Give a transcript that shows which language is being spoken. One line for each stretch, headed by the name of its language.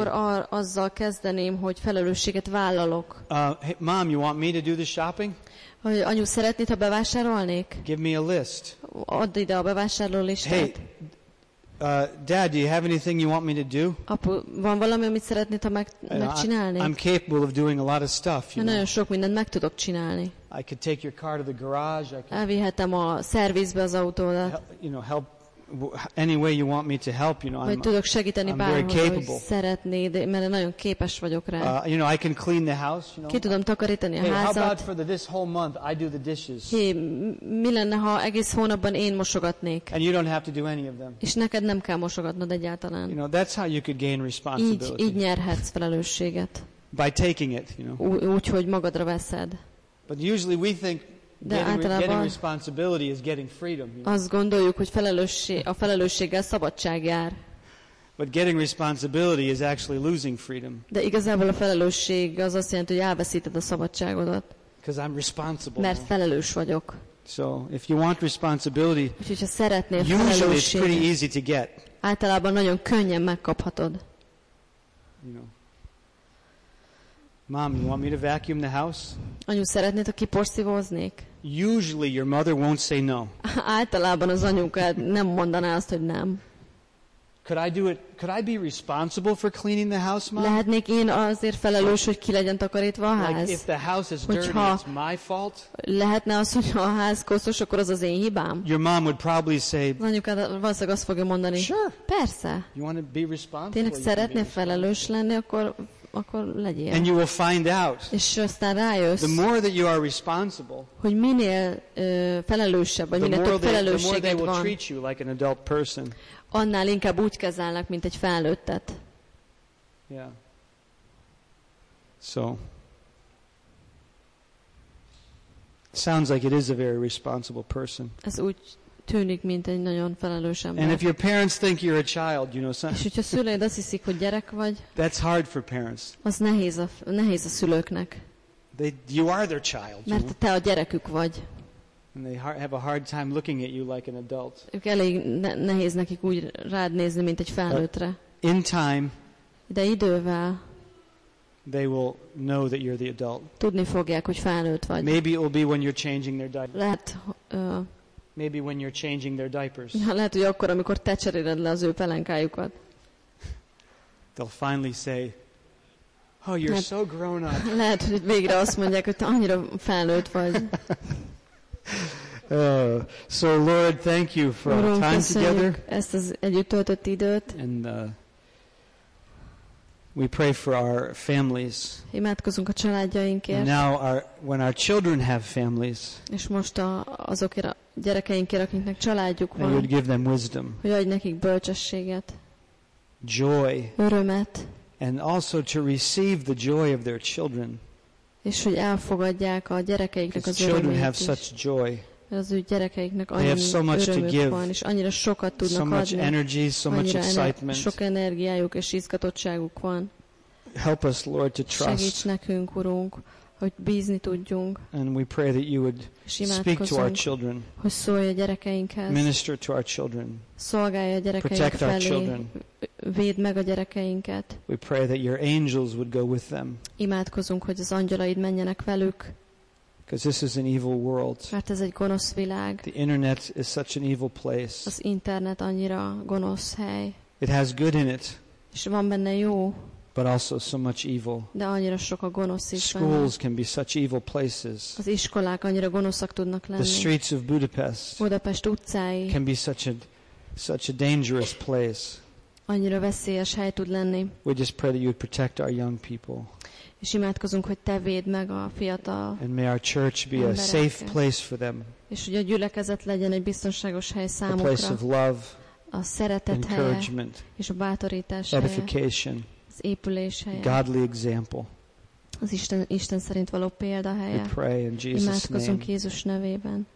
Hungarian: Akkor azzal kezdeném, hogy felelősséget vállalok.
English: Hey, mom, you want me to do the shopping?
Hungarian: Hogy anyu, szeretnéd, ha bevásárolnék?
English: Give me a list.
Hungarian: Add ide a bevásárló listát.
English: Hey, Dad, do you have anything you want me to do?
Hungarian: Apu, van valami, amit szeretnéd, ha megcsinálni?
English: I'm capable of doing a lot of stuff. You
Hungarian: nagyon sok mindent meg tudok csinálni.
English: I could take your car to the garage.
Hungarian: Elvihetem a szervizbe az autódat.
English: You know, help any way you want me to help. You know,
Hungarian: vagy tudok segíteni bárhol, hogy szeretnéd, mert nagyon képes vagyok rá.
English: You know, I can clean the house. You know,
Hungarian: ki tudom takarítani a házat.
English: Hey, how about for this whole month I do the dishes?
Hungarian: Hey, mi lenne, ha egész hónapban én mosogatnék?
English: And you don't have to do any of them.
Hungarian: És neked nem kell mosogatnod egyáltalán.
English: You know, that's how you could gain responsibility.
Hungarian: Így nyerhetsz felelősséget.
English: By taking it, you know.
Hungarian: Úgy, hogy magadra veszed.
English: But usually we think getting responsibility is getting freedom. You know?
Hungarian: Azt gondoljuk, hogy a felelősséggel szabadság jár.
English: But getting responsibility is actually losing freedom.
Hungarian: De igazából a felelősség az azt jelenti, hogy elveszíted a szabadságodat.
English: Because I'm responsible.
Hungarian: Mert felelős vagyok.
English: So if you want responsibility,
Hungarian: úgyhogy, ha szeretnél
English: usually it's pretty easy to get.
Hungarian: Általában nagyon könnyen megkaphatod.
English: You know. Mom, you want me to vacuum the house?
Hungarian: Anyu, szeretnéd, ha kiporszívóznék?
English: Usually your mother won't say no.
Hungarian: Általában az anyukád nem mondaná azt, hogy nem.
English: Could I do it? Could I be responsible for cleaning the house, Mom?
Hungarian: Lehetnék én azért felelős, hogy ki legyen takarítva a ház?
English: Like if the house is dirty, it's my fault?
Hungarian: Lehetne az, hogy ha a ház koszos, akkor az én hibám?
English: Your mom would probably say.
Hungarian: Az anyukád valószínűleg azt fogja mondani.
English: Sure.
Hungarian: Persze.
English: You want to be responsible?
Hungarian: Tényleg szeretnél felelős lenni, akkor. Akkor legyél.
English: And you will find out.
Hungarian: És aztán rájössz.
English: The more that you are responsible.
Hungarian: Hogy minél felelősebb, vagy minél több felelősséged van.
English: The more they will treat you like an adult person.
Hungarian: Annál inkább úgy kezelnek, mint egy felnőttet.
English: Yeah. So. Sounds like it is a very responsible person.
Hungarian: Ez úgy tűnik, mint egy nagyon felelős ember.
English: And if your parents think you're a child, you know,
Hungarian: és hogyha szüleid azt hiszik, hogy gyerek vagy,
English: that's hard for parents.
Hungarian: Az nehéz a szülőknek.
English: You are their child.
Hungarian: Mert te a gyerekük vagy.
English: And they have a hard time looking at you like an adult.
Hungarian: Ők elég nehéz nekik úgy rád nézni, mint egy felnőttre.
English: In time.
Hungarian: De idővel.
English: they will know that you're the adult.
Hungarian: Tudni fogják, hogy felnőtt vagy.
English: Maybe it will be when you're changing their diapers.
Hungarian: Lehet,
English: maybe when you're changing their diapers.
Hungarian: Lehet, hogy akkor, amikor te cseréled le az ő pelenkájukat.
English: They'll finally say, "Oh, you're so grown up."
Hungarian: Lehet, hogy végre azt mondják, hogy te annyira felnőtt vagy.
English: So Lord, thank you for our time together.
Hungarian: Ezt az együtt töltött időt.
English: And we pray for our families.
Hungarian: Imádkozunk a családjainkért.
English: Now when our children have families.
Hungarian: És most azokért a gyerekeinkért, akiknek családjuk van.
English: And you'd give them wisdom.
Hungarian: Hogy adj nekik bölcsességet.
English: Joy.
Hungarian: Örömet.
English: And also to receive the joy of their children.
Hungarian: És hogy elfogadják a gyerekeiknek az örömét is. Az ő gyerekeiknek annyi örömük van, és annyira sokat tudnak adni.
English: So much energy, so much excitement.
Hungarian: Sok energiájuk és izgatottságuk van.
English: Help us, Lord, to trust.
Hungarian: Segíts nekünk, Urunk, hogy bízni tudjunk.
English: And we pray that you would speak to our children.
Hungarian: Hogy szólj a gyerekeinkhez.
English: Minister to our children.
Hungarian: Szolgálj a gyerekeinket.
English: Protect our children.
Hungarian: Védd meg a gyerekeinket.
English: We pray that your angels would go with them.
Hungarian: Imádkozunk, hogy az angyalaid menjenek velük.
English: Because this is an evil world.
Hungarian: Mert ez egy gonosz világ.
English: The internet is such an evil place.
Hungarian: Az internet annyira gonosz hely.
English: It has good in it.
Hungarian: És van benne jó.
English: But also so much evil.
Hungarian: De annyira sok a gonosz is.
English: Schools can be such evil places.
Hungarian: Az iskolák annyira gonoszak tudnak lenni.
English: The streets of Budapest.
Hungarian: Budapest utcái.
English: Can be such a dangerous place.
Hungarian: Annyira veszélyes hely tud lenni.
English: We just pray that you would protect our young people.
Hungarian: És imádkozunk, hogy te védd meg a fiatal embereket.
English: And may our church be a safe place for them.
Hungarian: És hogy a gyülekezet legyen egy biztonságos hely számukra.
English: A place of love.
Hungarian: A szeretet helye.
English: Encouragement.
Hungarian: És a bátorítás helye.
English: Edification.
Hungarian: Az épülés helye.
English: Godly example.
Hungarian: Az Isten szerint való példa helye.
English: We pray in Jesus' name.
Hungarian: Imádkozunk Jézus nevében.